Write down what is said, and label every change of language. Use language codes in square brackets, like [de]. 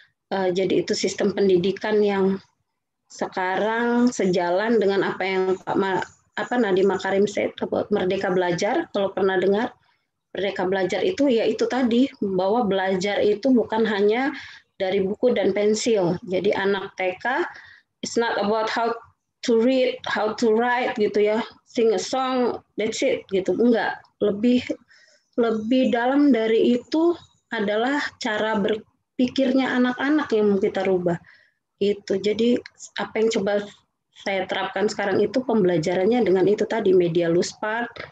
[id] Jadi itu sistem pendidikan yang sekarang sejalan dengan apa yang Nadiem Makarim said about Merdeka Belajar, kalau pernah dengar. Mereka belajar itu ya itu tadi, bahwa belajar itu bukan hanya dari buku dan pensil. [en] Jadi anak TK, it's not about how to read, how to write gitu ya, sing a song, that's it gitu. [id] Enggak, lebih dalam dari itu adalah cara berpikirnya anak-anak yang mau kita rubah. Itu. Jadi apa yang coba saya terapkan sekarang itu pembelajarannya dengan itu tadi, media loose part.